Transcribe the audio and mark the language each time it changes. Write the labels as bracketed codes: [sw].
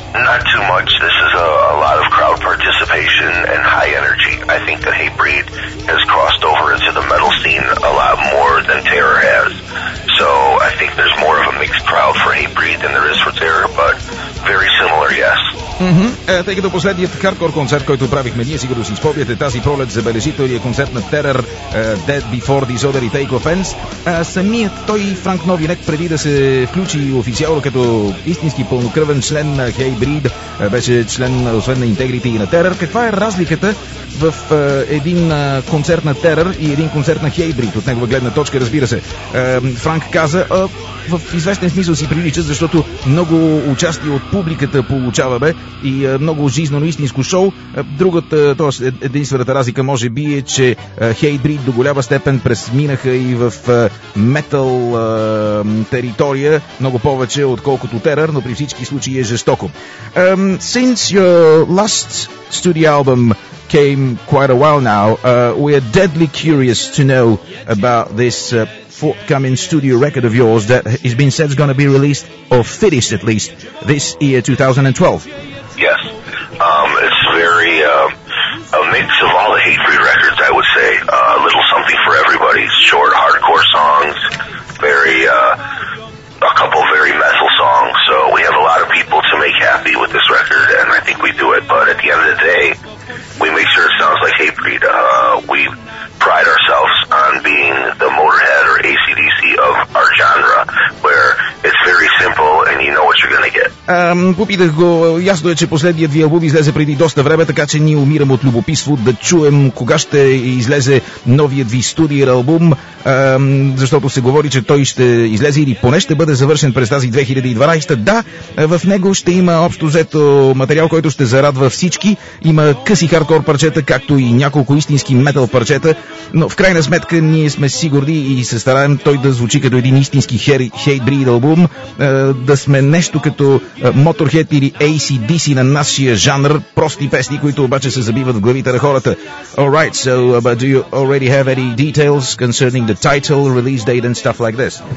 [en] Not too much. This is a lot of crowd participation and high energy. I think the Hybrid has crossed over into the metal scene a lot more than Terror has. So I think there's more of a mixed crowd for Hybrid than there is for Terror, but very similar, yes. [bg] Тъй като последният хардкор концерт, който правихме, ние сигурно си спомняте тази пролет, забележителният концерт на Terror, Dead Before Disorder и Take Offense, самият той Франк Новинек, преди да се включи официално като истински пълнокръвен член на Hybrid, беше член освен на Integrity и на Terror. Каква е разликата в един концерт на Terror и един концерт на Hybrid от негова гледна точка, разбира се? Франк каза, в известен смисъл си прилича, защото много участие от публиката получаваме и много жизнено истинско шоу. Другата, т.е. единствената разлика може би е, че Hybrid до голяма степен пресминаха и в метал територия, много повече отколкото Terror, но при всички случаи е жестоко. [en] Since your last studio album came quite a while now, we are deadly curious to know about this forthcoming studio record of yours that has been said is going to be released, or finished at least, this year, 2012. Yes. It's very a mix of all the Hybrid records, I would say. A little something for everybody. Short, hardcore songs. A couple very metal songs. So we have a lot of people to make happy with this record, and I think we do it. But at the end of the day, we make sure it sounds like Hybrid. We pride ourselves on being the Motorhead or AC/DC of our genre, where it's very simple and you know what you're gonna get. [bg] Попитах го, ясно е, че последният ви албум излезе преди доста време, така че ние умирам от любопитство да чуем кога ще излезе новият ви студиер албум, защото се говори, че той ще излезе или поне ще бъде завършен през тази 2012. Да, в него ще има общо взето материал, който ще зарадва всички. Има къси хардкор парчета, както и няколко истински метал парчета, но в крайна сметка ние сме сигурни и се стараем той да звучи като един истински Hybrid албум, да сме нещо като Motorhead или AC/DC на нашия жанр, прости песни, които обаче се забиват в главите на хората. [en] Alright, so but do you already have any details concerning the title, release date and stuff like this?